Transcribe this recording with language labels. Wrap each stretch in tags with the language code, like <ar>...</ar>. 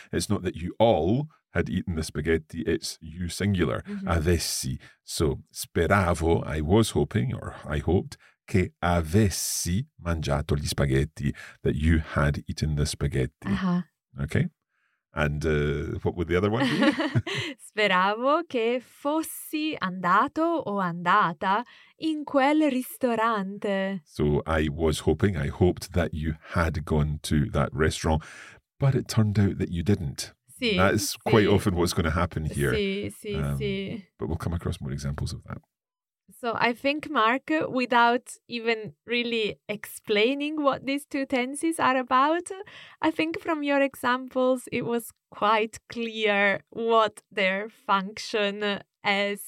<en>It's not that you all had eaten the spaghetti, it's you singular, avessi. So, speravo, I was hoping, or I hoped,</en> <it>che avessi mangiato gli spaghetti,</it> <en>that you had eaten the spaghetti. Okay? And what would the other one be?</en> <it>Speravo che fossi andato o andata in quel ristorante.</it> <en>So, I was hoping, I hoped that you had gone to that restaurant, but it turned out that you didn't. That's quite often what's going to happen here. But we'll come across more examples of that. So I think, Mark, without even really explaining what these two tenses are about, I think from your examples, it was quite clear what their function is.</en>